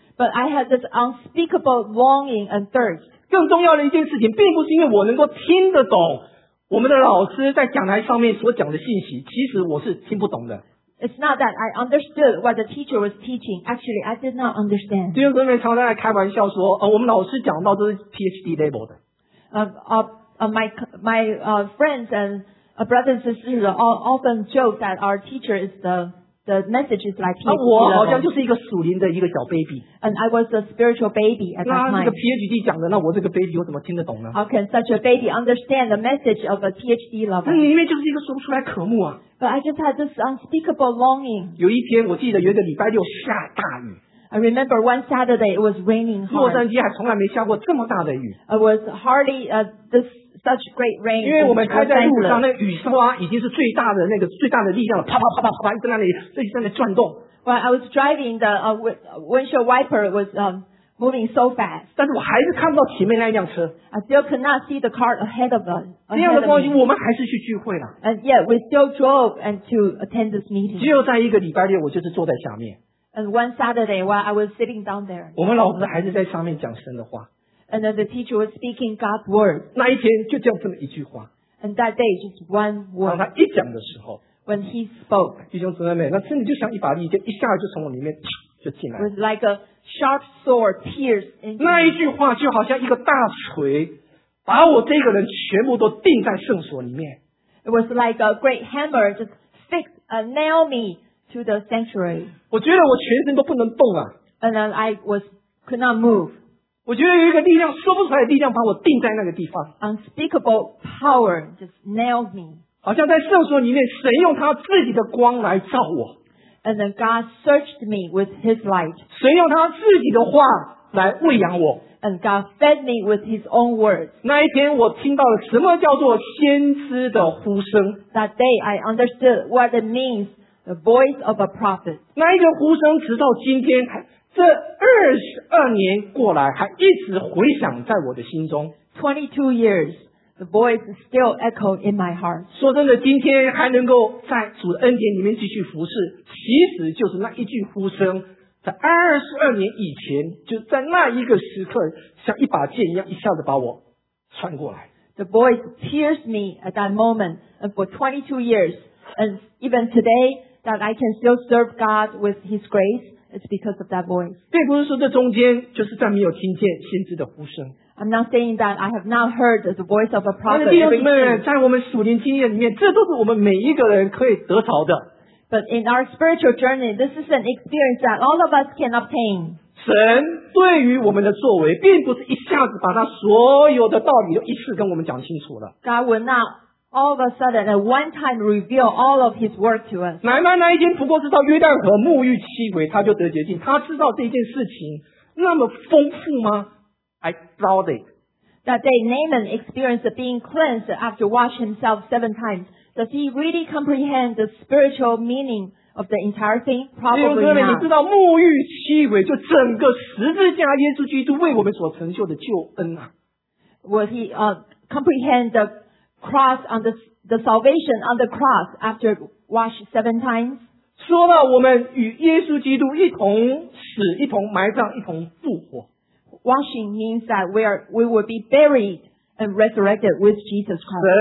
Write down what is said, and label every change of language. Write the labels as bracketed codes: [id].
[en] But I had this unspeakable longing and thirst. [zh] 更重要的一件事情，并不是因为我能够听得懂我们的老师在讲台上面所讲的信息，其实我是听不懂的。 [en] It's not that I understood what the teacher was teaching. Actually, I did not understand. [zh] 弟兄姊妹常常在开玩笑说，我们老师讲到都是 [en] PhD level [zh] 的。 [en] My friends and brothers and sisters often joke that our teacher is the message is like PhD level. [zh] 我好像就是一个属灵的一个小 baby. [en] And I was a spiritual baby at that time. [zh] 那这个 PhD 讲的，那我这个 baby 又怎么听得懂呢？ [en] How can such a baby understand the message of a PhD level? [zh] 那里面就是一个说不出来渴慕啊。 [en] But I just had this unspeakable longing. [zh] 有一天，我记得有一个礼拜六下大雨。 [en] I remember one Saturday it was raining hard. [zh] 洛杉矶还从来没下过这么大的雨。 [en] It was hardly such great rain. [zh] 因为我们开在路上，那雨刷已经是最大的那个最大的力量了，啪啪啪啪啪啪，在那里转动。 [en] Well, I was driving the windshield wiper was moving so fast. [zh] 但是我还是看不到前面那辆车。 [en] I still could not see the car ahead of us. [zh] 那样的光景，我们还是去聚会了。 [en] And yet we still drove and to attend this meeting. [zh] 只有在一个礼拜六，我就是坐在下面。 [en] And one Saturday, while I was sitting down there, [zh] 我们老师还是在上面讲神的话。 [en] And then the teacher was speaking God's word. [zh] 那一天就讲这么一句话。 [en] And that day, just one word. [zh] 当他一讲的时候。 [en] When he spoke, [zh] 弟兄姊妹，那真的就像一把利剑，一下就从我里面就进来。 [en] With like a sharp sword pierced into. [zh] 那一句话就好像一个大锤，把我这个人全部都钉在圣所里面。 [en] It was like a great hammer just fixed a nail me to the sanctuary. [zh] 我觉得我全身都不能动啊。 [en] And then I was could not move. [zh] 我觉得有一个力量说不出来的力量把我钉在那个地方。 [en] Unspeakable power just nailed me. [zh] 好像在圣所里面，神用他自己的光来照我。 [en] And then God searched me with His light. [zh] 神用他自己的话来喂养我。 [en] And God fed me with His own words. [zh] 那一天我听到了什么叫做先知的呼声。 [en] That day I understood what it means, the voice of a prophet. [zh] 那一个呼声直到今天，这二十二年过来还一直回响在我的心中。 [en] 22 years. The voice is still echoed in my heart. [zh] 说真的，今天还能够在主的恩典里面继续服侍，其实就是那一句呼声，在二十二年以前，就在那一个时刻，像一把剑一样，一下子把我穿过来。 [en] The voice pierced me at that moment, and for 22 years, and even today, that I can still serve God with His grace, it's because of that voice. [zh] 并不是说这中间就是再没有听见先知的呼声。 [en] I'm not saying that I have not heard the voice of a prophet. [zh] 弟兄们，在我们属灵经验里面，这都是我们每一个人可以得着的。 [en] But in our spiritual journey, this is an experience that all of us can obtain. [zh] 神对于我们的作为，并不是一下子把他所有的道理都一次跟我们讲清楚了。 [en] God will not all of a sudden at one time reveal all of His work to us. [zh] 乃曼那一天不过是到约旦河沐浴七回，他就得洁净。他知道这件事情那么丰富吗？ [en] I thought it. That day, Naaman experienced being cleansed after washing himself seven times. Does he really comprehend the spiritual meaning of the entire thing? Probably not. [zh] 弟兄姊妹，你知道沐浴七回就整个十字架耶稣基督为我们所成就的救恩啊。 [en] Will he comprehend the cross on the salvation on the cross after washing seven times? [zh] 说到我们与耶稣基督一同死，一同埋葬，一同复活。 [en] Washing means that we will be buried and resurrected with Jesus Christ.